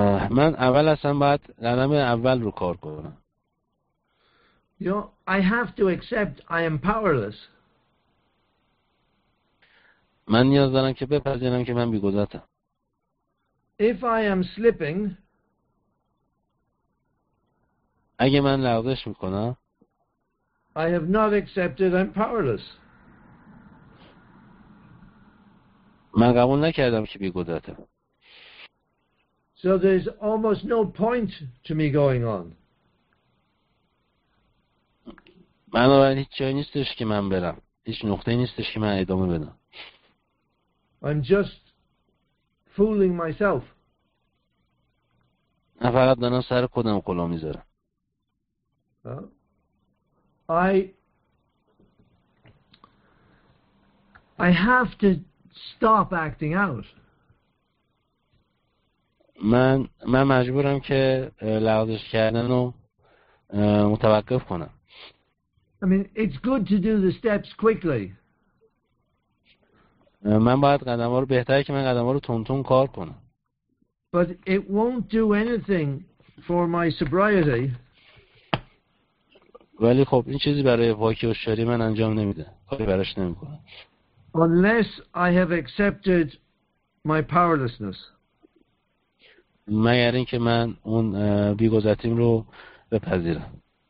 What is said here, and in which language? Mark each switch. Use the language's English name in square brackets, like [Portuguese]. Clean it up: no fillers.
[Persian] من اول اصلا باید قدم اول رو کار کنم. [English] You know, I have to accept I am powerless. [Persian] من نیاز دارم که بپذیرم که من بی‌قدرتم. [English] If I am slipping, [Persian] اگه من لغزش میکنم, [English] I have not accepted I'm powerless. [Persian] من قبول نکردم که بی‌قدرتم. [English] So there's almost no point to me going on. [Persian] بنابراین هیچ جایی نیستش که من برم. هیچ نقطه نیستش که من ادامه بدم. [English] I'm just fooling myself. [Persian] من فقط دارم سر خودم کلا میذارم. [English] I have to stop acting out. [Persian] من مجبورم که لغزش کردن رو متوقف کنم. [English] I mean, it's good to do the steps quickly. [Persian] من باید قدم‌ها رو بهتره که من قدم‌ها رو تون تون کار کنم. [English] But it won't do anything for my sobriety. [Persian] ولی خب این چیزی برای پاکی و شری من انجام نمیده. کاری براش نمی‌کنم. [English] Unless I have accepted my powerlessness. [Persian] مگر اینکه من اون بی‌قدرتیم رو بپذیرم.